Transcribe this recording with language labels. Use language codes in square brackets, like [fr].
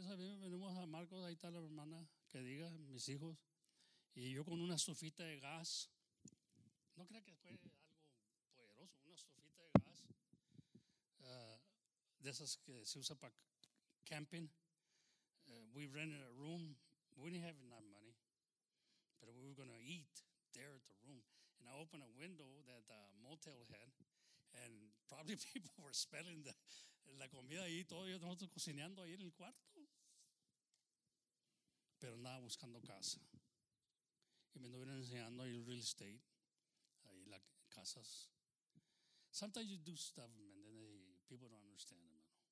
[es] Venimos a San Marcos, ahí está la hermana, que diga, mis hijos. Y yo con una estufita de gas, no crea que fue algo poderoso, una estufita de gas, de esas que se usa para camping. [en] We rented a room, we didn't have enough money, but we were going to eat there at the room. And I opened a window that the motel had, and probably people were smelling [es] la comida ahí, todos nosotros cocinando ahí en el cuarto. pero andaba buscando casa. Y me estuvieron enseñando el real estate, ahí las casas. [en] Sometimes you do stuff, man, then they, people don't understand, hermano.